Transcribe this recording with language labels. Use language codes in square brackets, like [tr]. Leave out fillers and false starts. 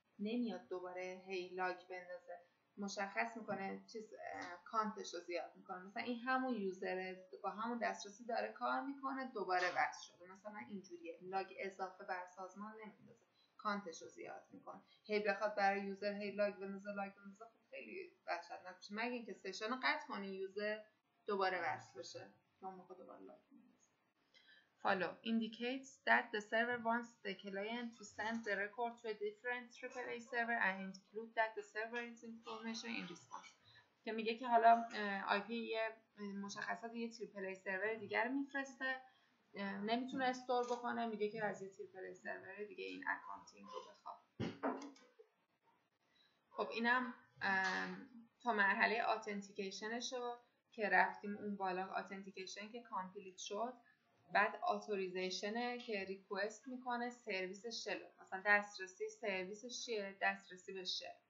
[fa] نمیاد دوباره هی لاگ بندازه، مشخص میکنه چیز کانتش رو زیاد میکنه، مثلا این همون یوزره با همون دسترسی داره کار میکنه دوباره وصل شده، مثلا اینجوریه، لاگ اضافه بر سازمان نمیندازه، کانتش رو زیاد میکنه. هی بخواد برای یوزر هی لاگ بندازه لاگ بندازه خب خیلی وحشتناک میشه، مگه اینکه سشن رو قطع کنی یوزر دوباره وصل بشه اون موقع دوباره لاگ بندازه. [en] Follow indicates that the server wants the client to send the record to a different AAA server and include that the server's information in response. [fa] که میگه که حالا IP یه مشخصات یه AAA server دیگر میفرسته، نمیتونه استور بکنه، میگه که از یه AAA server دیگه این اکانتینگ رو بخواد. خب اینم تا مرحله authentication‌شو که رفتیم اون بالا، authentication که complete شد، بعد اتوریزیشنه که ریکوست میکنه سرویس شلو، مثلا دسترسی سرویسش چیه، دسترسی به شل.